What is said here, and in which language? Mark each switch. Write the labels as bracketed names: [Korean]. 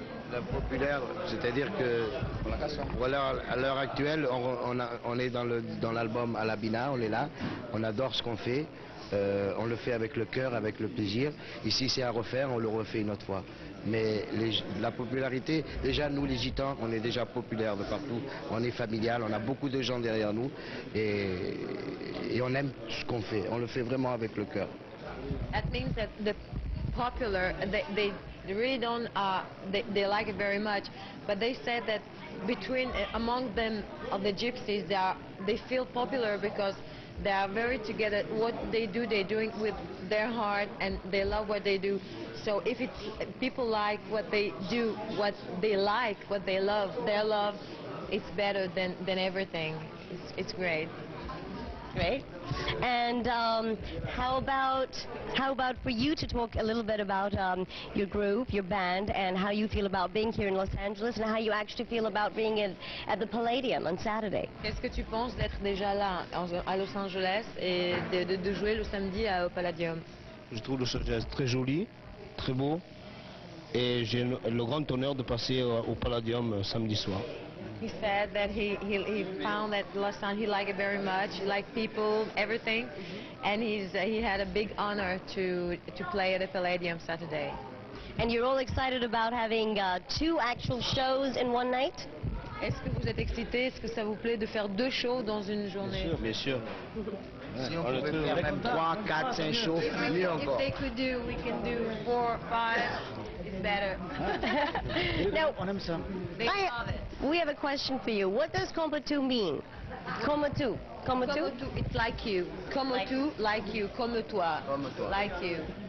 [French] La populaire, c'est-à-dire que à l'heure actuelle, on est dans l'album Alabina, on est là, on adore ce qu'on fait, on le fait avec le cœur, avec le plaisir. Ici, c'est à refaire, on le refait une autre fois. Mais la popularité, déjà nous les gitans, on est déjà populaire de partout, on est familial, on a beaucoup de gens derrière nous et on aime ce qu'on fait, on le fait vraiment avec le cœur. [English] That means that the popular, they really don't, they like it very much, but they said that between, among them, of the gypsies, they feel popular because they are very together. What they do, they're doing with their heart and they love what they do. So if it's people like what they do, what they like, what they love, their love, it's better than everything. It's great. Great. And how about for you to talk a little bit about your group, your band, and how you feel about being here in Los Angeles, and how you actually feel about being at the Palladium on Saturday? [French] Qu'est-ce que tu penses d'être déjà là à Los Angeles et de jouer le samedi au Palladium? Je trouve Los Angeles très joli, très beau, et j'ai le grand honneur de passer au Palladium samedi soir. [English] He said that he found that Los Angeles, he liked it very much, he liked people, everything, and he had a big honor to play at the Palladium Saturday. And you're all excited about having two actual shows in one night? [French] Est-ce que vous êtes excité? Est-ce que ça vous plaît de faire deux shows dans une journée? Bien sûr, bien sûr. Si on pouvait faire même 3, 4, 5 shows, mieux encore. [English] If they could do, we can do 4, 5, it's better. Now, [French] on aime ça. [English] They love it. We have a question for you. What does Komatu mean? Komatu. Komatu? Komatu, it's like you. Komatu, like you. Komatu, like you.